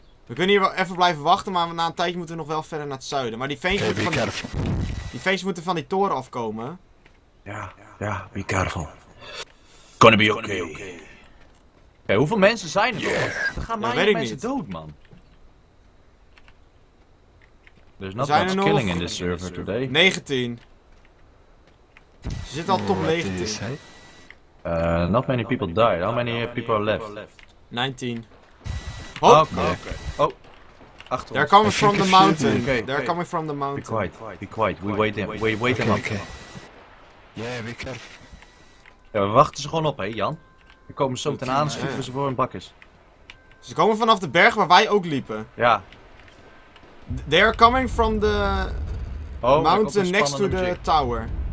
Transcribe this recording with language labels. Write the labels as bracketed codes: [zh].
[nl] We kunnen hier wel even blijven wachten, maar na een tijdje moeten we nog wel verder naar het zuiden. Maar die feestjes moeten van die toren afkomen. [en] Ja, be careful. Gonna be okay. [nl] Okay, hoeveel mensen zijn er nog? Er gaan maar mensen dood, man. [en] There's not much killing in this server today. [nl] 19. Ze zitten al top 19. [en] Not many people died. How many people are left? [nl] 19. Oh, okay. Oh, achter [en] they're coming from the mountain. They're coming from the mountain. Be quiet. We wait them up. Okay. Yeah, be careful. [nl] Ja, we wachten ze gewoon op, hè, Jan. We komen zo meteen aan, schieten we ze voor hun bakkes. Ze komen vanaf de berg waar wij ook liepen. Ja. [en] Yeah. They are coming from the mountain next to the tower.